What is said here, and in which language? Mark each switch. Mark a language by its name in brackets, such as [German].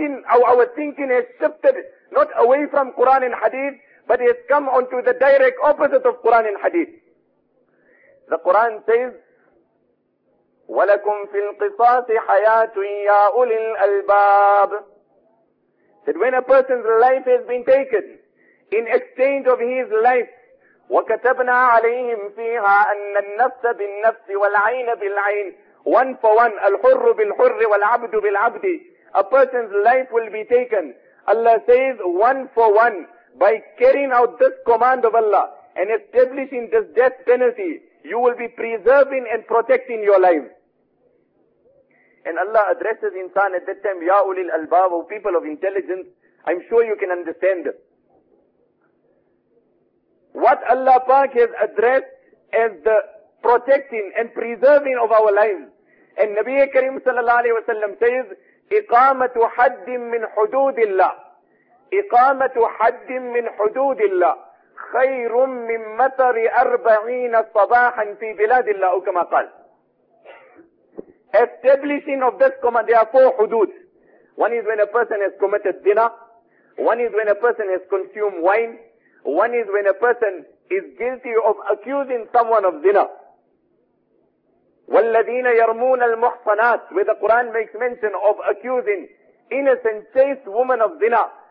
[English] Our thinking has shifted not away from Quran and Hadith, but it has come onto the direct opposite of Quran and Hadith. The Quran says, [Arabic] وَلَكُمْ فِي الْقِصَاصِ حَيَاةٌ يَا أُولِي الْأَلْبَابِ. [English] That when a person's life has been taken in exchange of his life, [Arabic] وَكَتَبْنَا عَلَيْهِمْ فِيهَا أَنَّ النَّفْسَ بِالنَّفْسِ وَالْعَيْنَ بِالْعَيْنِ [English] One for one, [Arabic] الْحُرُّ بِالْحُرِّ وَالْعَبْدُ بِالْعَبْدِ. [English] A person's life will be taken. Allah says, one for one, by carrying out this command of Allah and establishing this death penalty, you will be preserving and protecting your life. And Allah addresses insan at that time, [Arabic] يَا أُولِي الْأَلْبَابِ, [English] O people of intelligence, I'm sure you can understand this. What Allah Pak has addressed as the protecting and preserving of our lives. And Nabi Kareem sallallahu alayhi wa sallam says, [Arabic] إِقَامَةُ حَدٍّ مِّنْ حُدُودِ اللَّهِ إِقَامَةُ حَدٍّ مِّنْ حُدُودِ اللَّهِ خَيْرٌ مِّنْ مَثَرِ أَرْبَعِينَ صَبَاحًا فِي بِلَادِ اللَّهِ أو كما قال. [English] Establishing of this command, there are four hudud. One is when a person has committed zina. One is when a person has consumed wine. One is when a person is guilty of accusing someone of zina. [Arabic] وَالَّذِينَ يَرْمُونَ الْمُحْصَنَاتِ, [English] where the Quran makes mention of accusing innocent, chaste women of zina.